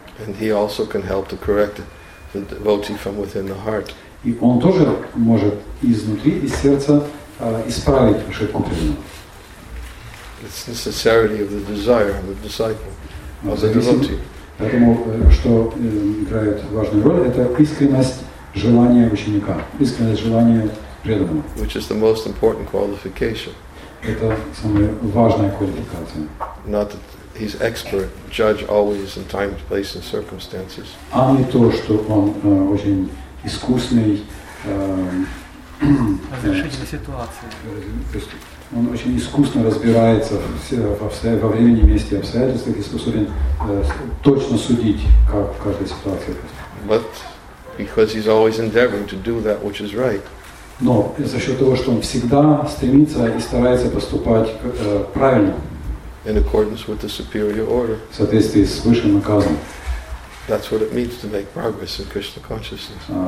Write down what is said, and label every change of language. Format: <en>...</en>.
<en>And he also can help to correct the devotee from within the heart.</en> <ru>И он тоже может изнутри, из сердца исправить ошибку преданного.</ru> <en>It's the sincerity of the desire of the disciple, of the devotee.</en> <ru>Поэтому, что играет важную роль, это искренность желания ученика, искренность желания преданного.</ru> <en>Which is the most important qualification.</en> <ru>Это самая важная квалификация.</ru> <en>Not that he's expert, judge always in time, place and circumstances.</en> <ru>А не то, что он очень искусный, разрешительной ситуации. Он очень искусно разбирается во времени, месте, обстоятельствах и способен точно судить, как в каждой ситуации.</ru> <en>But because he's always endeavoring to do that which is right.</en> <ru>Но за счет того, что он всегда стремится и старается поступать правильно.</ru> <en>In accordance with the superior order.</en> <ru>В соответствии с высшим наказом.</ru> <en>That's what it means to make progress in Krishna consciousness.</en>